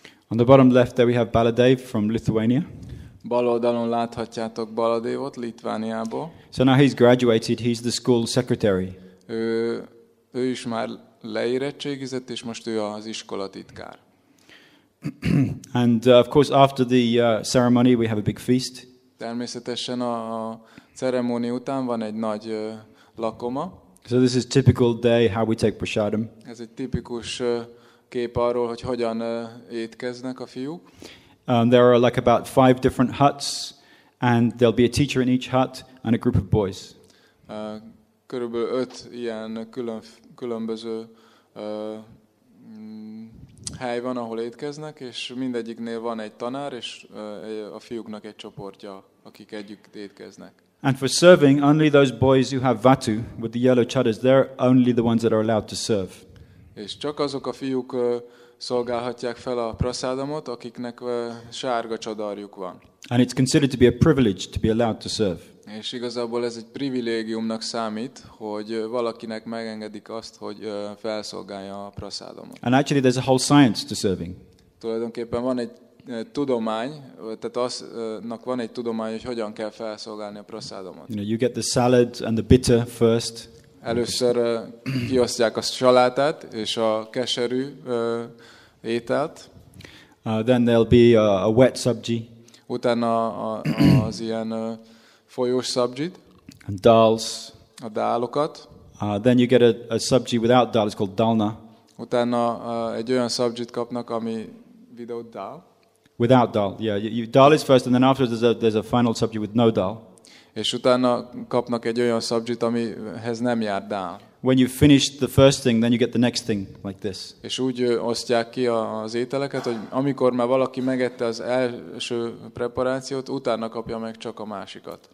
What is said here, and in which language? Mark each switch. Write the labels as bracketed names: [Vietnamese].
[English] On the bottom left there we have Baladev from Lithuania. [Hungarian] Bal oldalon láthatjátok Baladevot, Litvániából. [English] So now he's graduated, he's the school secretary. [Hungarian] Ő is már leérettségizett, és most ő az iskola titkár. [English] And of course after the ceremony we have a big feast. [Hungarian] Természetesen a ceremónia után van egy nagy lakoma. [English] So this is typical day how we take prasadam. [Hungarian] Ez egy tipikus kép arról, hogy hogyan étkeznek a fiúk. [English] There are like about 5 different huts and there'll be a teacher in each hut and a group of boys. [Hungarian] Körülbelül 5 ilyen különböző hely van, ahol étkeznek, és mindegyiknél van egy tanár, és a fiúknak egy csoportja, akik együtt étkeznek. [English] And for serving, only those boys who have vatu, with the yellow chadars, they're only the ones that are allowed to serve. [Hungarian] És csak azok a fiúk szolgálhatják fel a prasadamot, akiknek sárga csadarjuk van. [English] And it's considered to be a privilege to be allowed to serve. [Hungarian] És igazából ez egy privilégiumnak számít, hogy valakinek megengedik azt, hogy felszolgálja a prasadamot. [English] And actually there's a whole science to serving. [Hungarian] Tulajdonképpen van egy tudomány, tehát aznak van egy tudomány, hogy hogyan kell felszolgálni a prasadamot. [English] You know, you get the salad and the bitter first. [Hungarian] Először kiosztják a salátát és a keserű ételt. [English] Then there'll be a wet sabji. [Hungarian] Utána az ilyen folyós sabjit. [English] And dals. [Hungarian] A dálokat. [English] Then you get a sabji without dal, it's called dalna. [Hungarian] Utána egy olyan sabjit kapnak, ami [English] without dal. Without dal, yeah. You dal is first, and then afterwards there's a final sabji with no dal. [Hungarian] És utána kapnak egy olyan szabjit, amihez nem jár dál. [English] When you finish the first thing, then you get the next thing like this. [Hungarian] És úgy osztják ki az ételeket, hogy amikor már valaki megette az első preparációt, utána kapja meg csak a másikat.